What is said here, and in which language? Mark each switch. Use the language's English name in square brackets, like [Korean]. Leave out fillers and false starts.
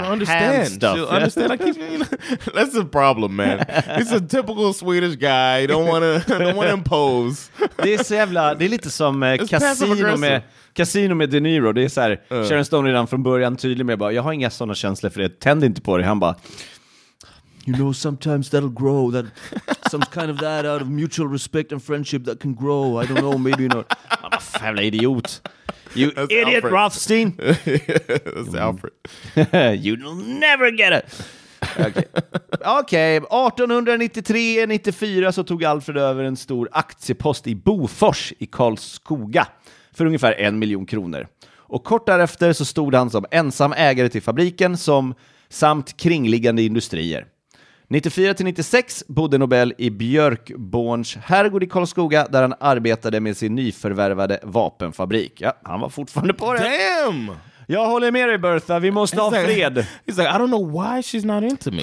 [English] understand. That's the problem, man. He's a typical Swedish guy. Don't wanna impose. [Swedish] Det är så jävla, det är lite som Casino med De Niro. Det är så här, Sharon Stone redan från början tydlig med bara, jag har inga såna känslor för det. Tänd inte på det. Han bara, [English] you know, sometimes that'll grow, that some kind of that out of mutual respect and friendship that can grow. I don't know, maybe not. I'm a fella idiot. You That's idiot, Alfred. Rothstein. That's Alfred. You'll never get it. Okay. [Swedish] 1893-94 så tog Alfred över en stor aktiepost i Bofors i Karlskoga för ungefär 1 miljon kronor. Och kort därefter så stod han som ensam ägare till fabriken samt kringliggande industrier. 94-96 bodde Nobel i Björkborns herrgård i Karlskoga där han arbetade med sin nyförvärvade vapenfabrik. Ja, han var fortfarande på det. [English] Damn! [Swedish] Jag håller med dig, Bertha. Vi måste ha fred. [English] He's like, I don't know why she's not into me.